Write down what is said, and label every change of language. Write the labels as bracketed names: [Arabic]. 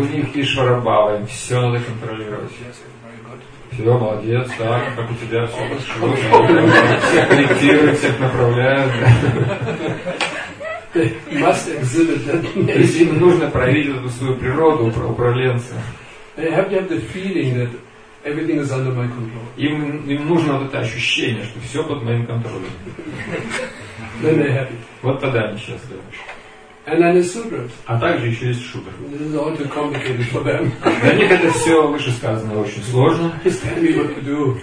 [Russian] У них Ишвара Бхава, им все надо контролировать. Все, молодец, так, как у тебя все хорошо. Все корректируют, всех направляют. [English] Must exhibit that. [Russian] То есть им нужно проявить эту свою природу, управленца. [English] They have to have the feeling that everything is under my control. [Russian] Им нужно вот это ощущение, что все под моим контролем. [English] Then they're happy. [Russian] Вот тогда они счастливы. [English] And then the sutras. [Russian] А также еще есть шутры. [English] This is all too complicated for them. [Russian] Для них это все вышесказано очень сложно. [English] Just tell me what to do.